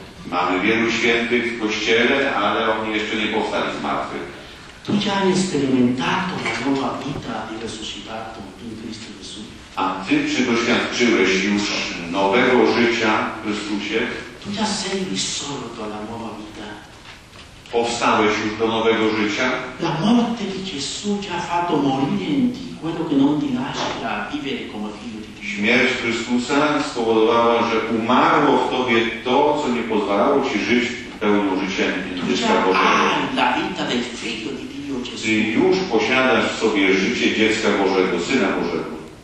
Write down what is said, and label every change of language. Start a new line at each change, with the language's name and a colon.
Polish: Mamy wielu świętych w Kościele, ale oni jeszcze nie powstali zmartwych.
Italian: Tu ci hanno sperimentato la nuova vita di resuscitato in Cristo Gesù.
Polish: A ty czy doświadczyłeś już nowego życia w Chrystusie?
Italian: Tu già sei risorto alla nuova vita.
Polish: Powstałeś już do nowego życia?
Italian: La morte di Gesù ci ha fatto morire in te, quello che non ti lascia vivere come figlio di Dio.
Polish: Śmierć Chrystusa spowodowała, że umarło w tobie to, co nie pozwalało ci żyć pełną życiem Chrystusa Bożego.
Italian: La vita del figlio di Dio Gesù.
Polish: Ty już posiadasz w sobie życie dziecka Bożego, Syna Bożego.